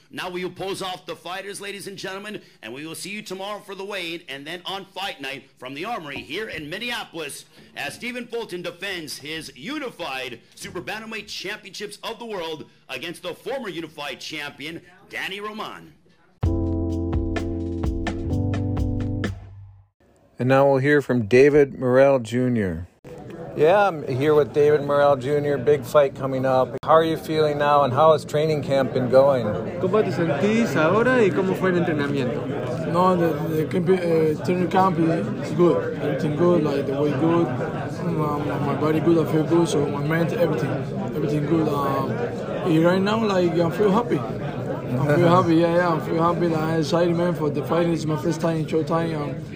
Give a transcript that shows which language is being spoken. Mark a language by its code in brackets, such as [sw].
[en] Now we will pose off the fighters, ladies and gentlemen, and we will see you tomorrow for the weigh-in, and then on Fight Night from the Armory here in Minneapolis, as Stephen Fulton defends his Unified Super Bantamweight Championship of the World against the former Unified champion, Danny Roman. And now we'll hear from David Morrell Jr. Yeah, I'm here with David Morrell Jr., big fight coming up. How are you feeling now and how has training camp been going? [es] ¿Cómo te sentís ahora y cómo fue el entrenamiento? [en] No, the training camp is good. Everything good, like the weight good, my body good, I feel good, so my mental, everything good. Right now, like, I feel happy. I feel happy. I'm excited, man, for the fight. It's my first time in Showtime.